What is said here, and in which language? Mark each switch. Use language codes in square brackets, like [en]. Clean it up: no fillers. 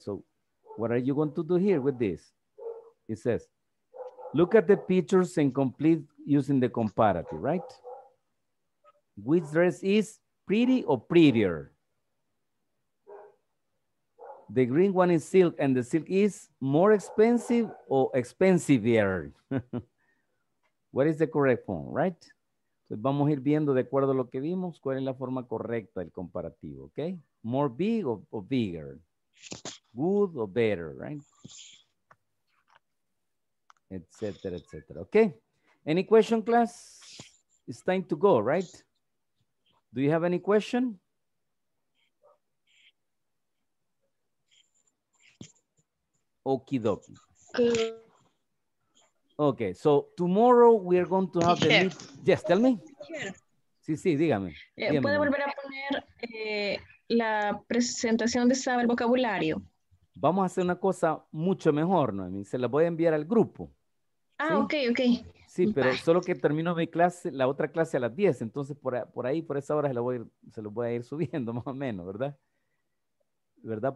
[en] So what are you going to do here with this? It says, look at the pictures and complete using the comparative, right? Which dress is pretty or prettier? The green one is silk, and the silk is more expensive or expensivier? What is the correct form, right? [es] Entonces vamos a ir viendo de acuerdo a lo que vimos, cuál es la forma correcta del comparativo, ¿ok? [en] More big or bigger? Good or better, right? [es] Etcétera, etcétera, [en] ¿ok? Any question, class? It's time to go, right? Do you have any question? Okie dokie. Okay, so tomorrow we are going to have the meet. Yes, tell me. [es] Sí, sí, dígame. Dígame. ¿Puedo volver a poner la presentación de saber vocabulario? Vamos a hacer una cosa mucho mejor, Noemi. Se la voy a enviar al grupo. Ah, ¿sí? Ok. Sí, pero bye. Solo que termino mi clase, la otra clase a las 10. Entonces, por ahí, por esa hora, se lo voy a ir subiendo más o menos, ¿verdad? ¿Verdad?